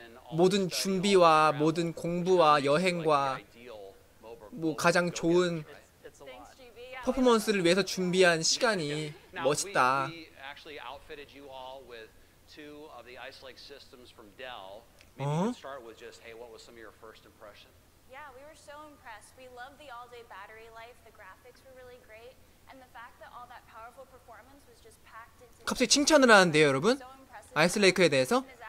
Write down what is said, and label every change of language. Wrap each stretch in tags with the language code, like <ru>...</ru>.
<ko>모든 준비와 모든 공부와 여행과 뭐 가장 좋은 퍼포먼스를 위해서 준비한 시간이 멋있다.</ko> <en>Actually, outfitted you all with two of the Ice Lake systems from Dell. 어? Start with just, hey, what was some of your first impression? Yeah, we were so impressed. We loved the all-day battery life. The graphics were really great, and the fact that all that powerful performance was just packed into.</en> <ko>갑자기 칭찬을 하는데요, 여러분? 아이슬레이크에 대해서?</ko>